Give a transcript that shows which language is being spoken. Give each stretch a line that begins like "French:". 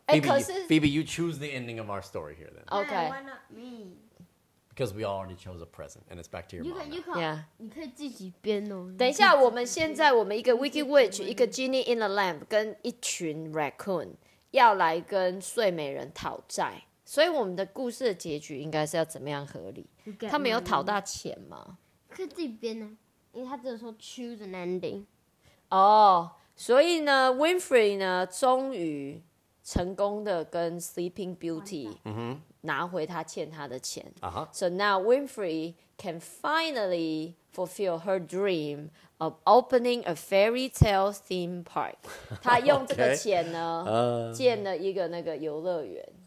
English: Phoebe, you choose the ending of our story here then. Okay. Why not me? Because we already chose a present, and it's back to your mom. You can
Chinese: 等一下，我们现在我们一个 Wicked Witch， 一个 Genie in the Lamp， 跟一群 Raccoon 要来跟睡美人讨债。所以我们的故事的结局应该是要怎么样合理？他没有讨到钱吗？可以自己编呢，因为他只有说
English: choose an ending。
Chinese: 所以呢 ，Winfrey 呢，终于成功的跟 Sleeping Beauty 拿回他欠他的钱。
English: So now Winfrey can finally fulfill her dream of opening a fairy tale theme park.
Chinese: 他用这个钱呢，建了一个那个游乐园。